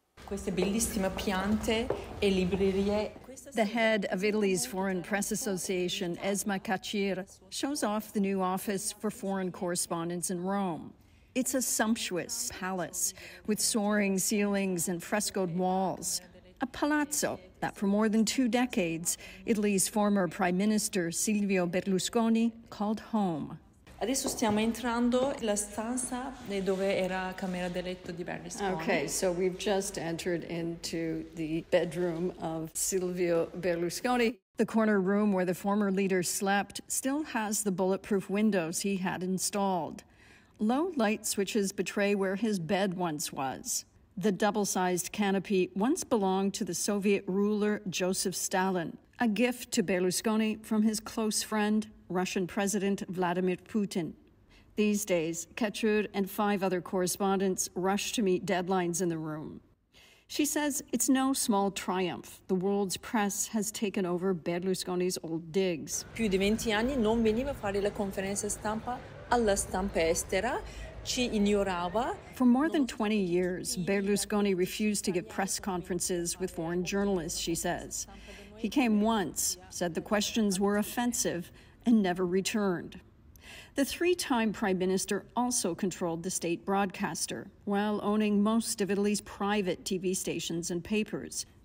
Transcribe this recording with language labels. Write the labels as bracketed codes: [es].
[en] The head of Italy's Foreign Press Association, Esma Cacir, shows off the new office for foreign correspondents in Rome. It's a sumptuous palace with soaring ceilings and frescoed walls. A palazzo that for more than two decades, Italy's former Prime Minister Silvio Berlusconi called home. [it] Adesso stiamo entrando la stanza dove era camera da letto di Berlusconi. [en] Okay, so we've just entered into the bedroom of Silvio Berlusconi. The corner room where the former leader slept still has the bulletproof windows he had installed. Low light switches betray where his bed once was. The double-sized canopy once belonged to the Soviet ruler Joseph Stalin, a gift to Berlusconi from his close friend, Russian President Vladimir Putin. These days, Ketrud and five other correspondents rush to meet deadlines in the room. She says it's no small triumph. The world's press has taken over Berlusconi's old digs. [it] Più di 20 anni non veniva a fare la conferenza stampa alla stampa estera. Ci ignorava. [en] For more than 20 years, Berlusconi refused to give press conferences with foreign journalists, she says. He came once, said the questions were offensive, and never returned. The three-time prime minister also controlled the state broadcaster, while owning most of Italy's private TV stations and papers.